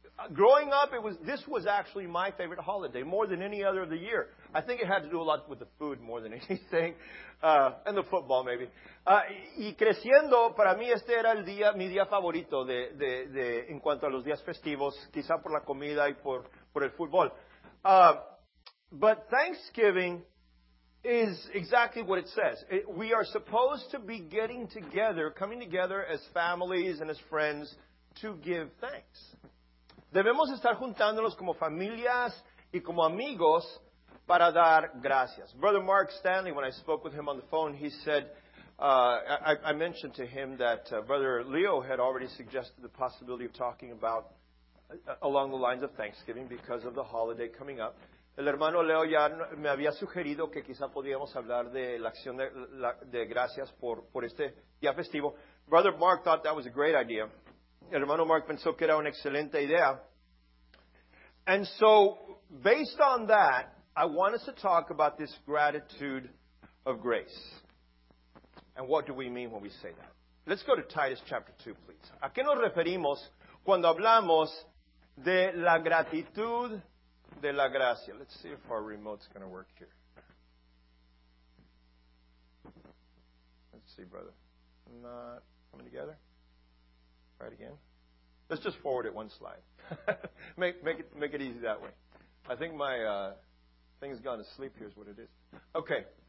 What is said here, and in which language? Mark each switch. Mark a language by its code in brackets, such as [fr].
[en] Growing up, this was actually my favorite holiday more than any other of the year. I think it had to do a lot with the food more than anything, and the football maybe. [es] Y creciendo, para mí este era mi día favorito de en cuanto a los días festivos, quizá por la comida y por el fútbol. [en] But Thanksgiving is exactly what it says. We are supposed to be getting together, coming together as families and as friends to give thanks. [es] Debemos estar juntándonos como familias y como amigos para dar gracias. [en] Brother Mark Stanley, when I spoke with him on the phone, he said, I mentioned to him that Brother Leo had already suggested the possibility of talking about along the lines of Thanksgiving because of the holiday coming up. [es] El hermano Leo ya me había sugerido que quizá podíamos hablar de la acción de gracias por este día festivo. [en] Brother Mark thought that was a great idea. [es] El hermano Mark pensó que era una excelente idea. [en] And so, based on that, I want us to talk about this gratitude of grace. And what do we mean when we say that? Let's go to Titus chapter 2, please. [es] ¿A qué nos referimos cuando hablamos de la gratitud de la gracia? [en] Let's see if our remote's going to work here. Let's see, brother. Not coming together. Try it again. Let's just forward it one slide. make it easy that way. I think my thing's gone to sleep here is what it is. Okay.